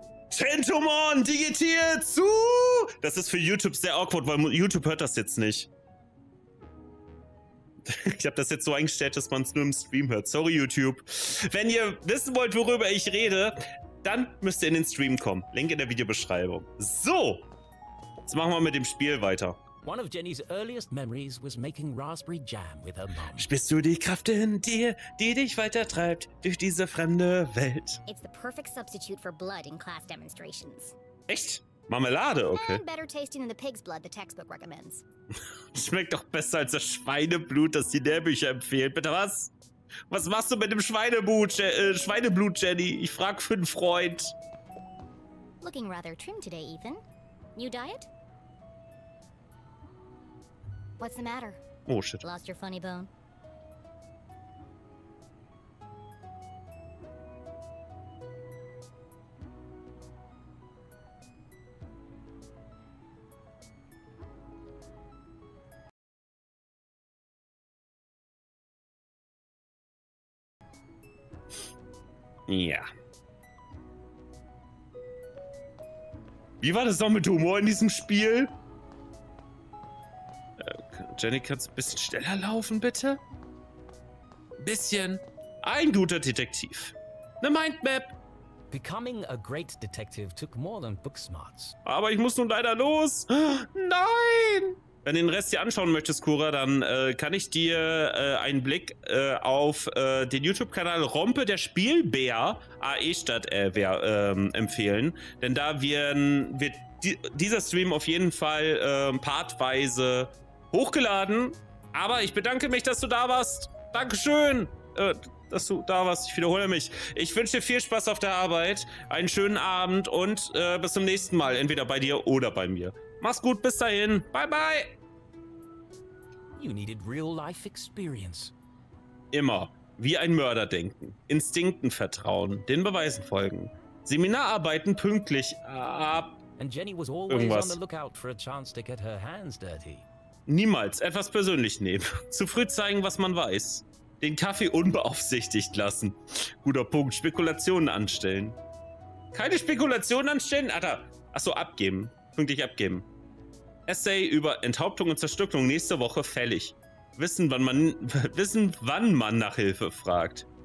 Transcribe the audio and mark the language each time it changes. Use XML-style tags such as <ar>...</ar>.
<de>Tentomon, digitier zu! Das ist für YouTube sehr awkward, weil YouTube hört das jetzt nicht. Ich habe das jetzt so eingestellt, dass man es nur im Stream hört. Sorry, YouTube. Wenn ihr wissen wollt, worüber ich rede, dann müsst ihr in den Stream kommen. Link in der Videobeschreibung. So, jetzt machen wir mit dem Spiel weiter.</de> <en>One of Jenny's earliest memories was making raspberry jam with her mom.</en> <de>Spürst du die Kraft in dir, die dich weitertreibt durch diese fremde Welt?</de> <en>It's the perfect substitute for blood in class demonstrations.</en> <de>Echt? Marmelade, okay.</de> <en>And better tasting than the pig's blood the textbook recommends.</en> <de>Schmeckt doch besser als das Schweineblut, das die Lehrbücher empfehlen. Bitte was? Was machst du mit dem Schweineblut, Jenny? Ich frag für einen Freund.</de> <en>Looking rather trim today, Ethan. New diet? What's the matter? Oh shit. Lost your funny bone? Yeah.</en> <de>Wie war das noch mit Humor in diesem Spiel? Jenny, kannst du ein bisschen schneller laufen, bitte? Bisschen. Ein guter Detektiv. Eine Mindmap.</de> <en>Becoming a great detective took more than book smarts.</en> <de>Aber ich muss nun leider los. Nein! Wenn du den Rest hier anschauen möchtest, Cora, dann kann ich dir einen Blick auf den YouTube-Kanal Rompe der Spielbär AE statt empfehlen. Denn da wird dieser Stream auf jeden Fall partweise hochgeladen, aber ich bedanke mich, dass du da warst. Dankeschön, dass du da warst. Ich wiederhole mich. Ich wünsche dir viel Spaß auf der Arbeit, einen schönen Abend und bis zum nächsten Mal, entweder bei dir oder bei mir. Mach's gut, bis dahin. Bye, bye.</de> <en>You needed real life experience.</en> <de>Immer wie ein Mörder denken, Instinkten vertrauen, den Beweisen folgen, Seminararbeiten pünktlich ab.</de> <en>And Jenny was always</en> <de>irgendwas.</de> <en>On the lookout for a chance to get her hands dirty.</en> <de>Niemals etwas persönlich nehmen. Zu früh zeigen, was man weiß. Den Kaffee unbeaufsichtigt lassen. Guter Punkt. Spekulationen anstellen. Keine Spekulationen anstellen? Alter. Achso, abgeben. Pünktlich abgeben. Essay über Enthauptung und Zerstückelung nächste Woche fällig. Wissen, wann man nach Hilfe fragt.</de>